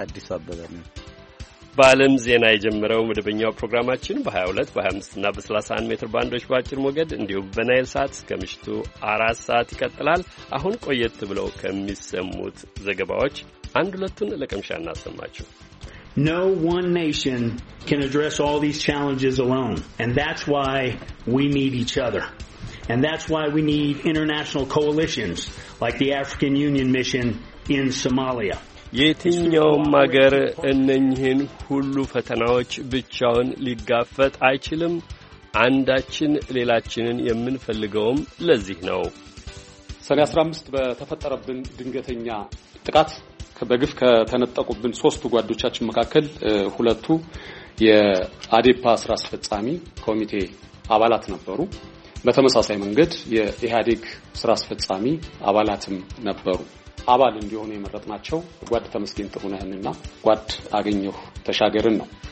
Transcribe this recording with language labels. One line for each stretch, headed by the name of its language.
Amharic: አዲሱ አበበ። በዓለም ዜና የጀመረው መደበኛው ፕሮግራማችን በ22 በ25ና በ31 ሜትር ባንዶች በአጭር ሞገድ እንዲሁም በናይል ሰዓት እስከ ምሽቱ 4 ሰዓት ይቀጥላል። አሁን ቆየት ብለው ከሚሰሙት ዘገባዎች አንድ ሁለቱን ለቅምሻ እናሰማችሁ።
English: No one nation can address all these challenges alone, and that's why we need each other. And that's why we need international coalitions like the African Union mission in Somalia.
Amharic: የትኛውም አገር እነኚህን ሁሉ ፈተናዎች ብቻውን ሊጋፈጥ አይችልም። አንዳችን ሌላችንን የምንፈልገውም ለዚህ ነው። ሰኔ 15 በተፈጠረብን ድንገተኛ ጥቃት በግፍ ከተነጠቁብን 3 ጓዶቻችን መካከል 2ቱ የአዴፓ ስራ አስፈጻሚ ኮሚቴ አባላት ነበሩ። በተመሳሳይ መንገድ የኢሃዴግ ስራ አስፈጻሚ አባላትም ነበሩ። አባል እንዲሆኑ የመረጥናቸው ጓድ ተመስገን ጥሩነህና ጓድ አገኘሁ ተሻገርን ነው።